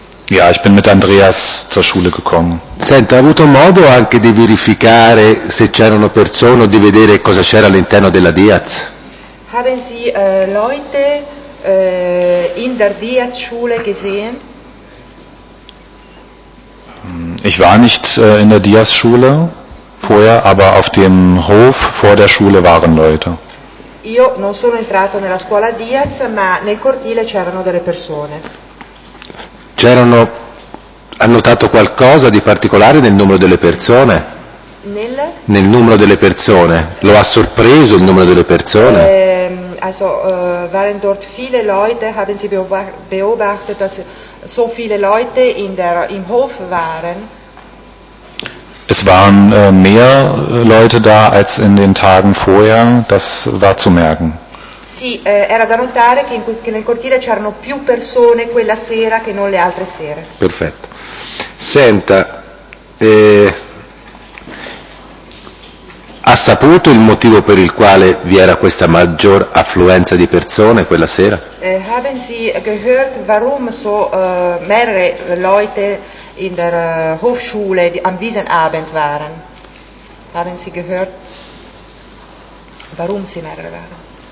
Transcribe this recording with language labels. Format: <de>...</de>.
<de>Ja, ich bin mit Andreas zur Schule gekommen.</de> <it>Senta, ha avuto modo anche di verificare se c'erano persone o di vedere cosa c'era all'interno della Diaz?</it> <de>Haben Sie Leute in der Diaz-Schule gesehen? Ich war nicht in der Diaz-Schule vorher, aber auf dem Hof vor der Schule waren Leute.</de> <it>Io non sono entrato nella scuola Diaz, ma nel cortile c'erano delle persone. C'erano, ha notato qualcosa di particolare nel numero delle persone? Nel numero delle persone. Lo ha sorpreso il numero delle persone?</it> <de>Also waren dort viele Leute, haben Sie beobachtet, dass so viele Leute im Hof waren? Es waren mehr Leute da als in den Tagen vorher, das war zu merken.</de> <it>Sì, era da notare che nel cortile c'erano più persone quella sera che non le altre sere. Perfetto. Senta, ha saputo il motivo per il quale vi era questa maggior affluenza di persone quella sera?</it> <de>Haben Sie gehört, warum so mehrere Leute in der Hofschule an diesem Abend waren? Haben Sie gehört, warum sie mehrere waren?</de>